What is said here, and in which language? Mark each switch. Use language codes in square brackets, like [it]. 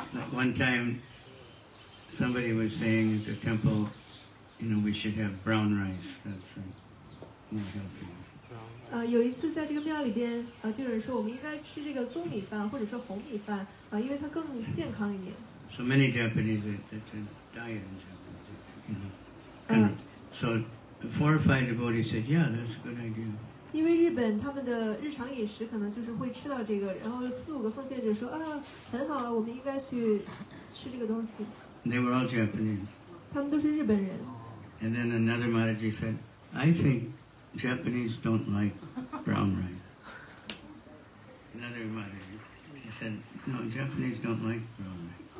[en] one time, somebody was saying at the temple, you know, we should have brown rice. That's more healthy. [zh] 有一次在这个庙里边，就有人说我们应该吃这个粽米饭或者说红米饭，因为它更健康一点。 [en] So many Japanese, that's a diet in Japan. So the four or five devotees said, yeah, that's a good idea. [zh] 因为日本他们的日常饮食可能就是会吃到这个，然后四五个奉献者说，很好，我们应该去吃这个东西。 [en] They were all Japanese. [zh] 他们都是日本人。 [en] And then another Mataji said, I think Japanese don't like brown rice. Another Mataji said, no, Japanese don't like brown rice.